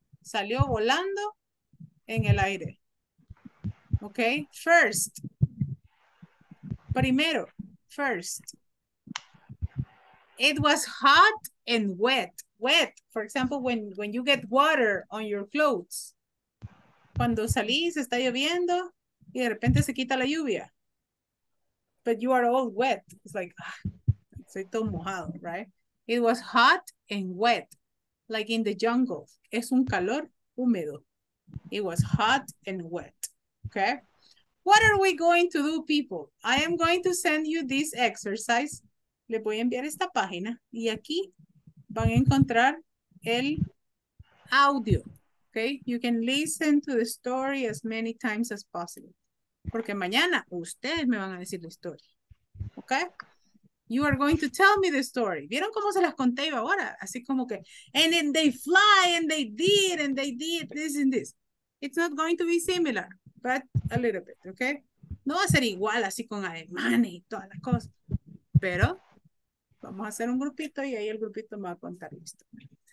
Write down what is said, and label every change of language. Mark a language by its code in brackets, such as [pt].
[es] Salió volando en el aire. [en] Okay, first. Primero, first. It was hot and wet. Wet, for example, when you get water on your clothes. [es] Cuando salís, está lloviendo y de repente se quita la lluvia. [en] But you are all wet. It's like, [es] soy todo mojado, [en] right? It was hot and wet, like in the jungle. [es] Es un calor húmedo. [en] It was hot and wet, okay? What are we going to do, people? I am going to send you this exercise. [es] Le voy a enviar esta página y aquí van a encontrar el audio. [en] Okay, you can listen to the story as many times as possible. [es] Porque mañana ustedes me van a decir la historia. [en] Okay? You are going to tell me the story. [es] ¿Vieron cómo se las conté yo ahora? Así como que, [en] and then they fly, and they did this and this. It's not going to be similar, but a little bit, okay? [es] No va a ser igual así con ademanes y todas las cosas. Pero vamos a hacer un grupito y ahí el grupito me va a contar la historia.